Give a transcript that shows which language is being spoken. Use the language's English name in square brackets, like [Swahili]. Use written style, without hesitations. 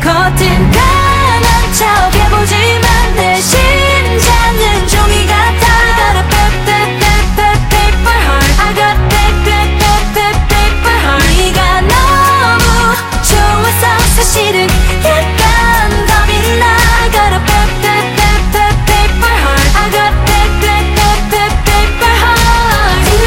[Korean] 겉은 강한 척 해보지만 내 심장은 종이 같아. [English] I got a paper, paper, paper heart. I got paper, paper, paper heart. [Korean] 네가 너무 좋아서 사실은 약간 겁이 나. [English] I got a paper, paper, paper heart. I got paper, paper, paper heart.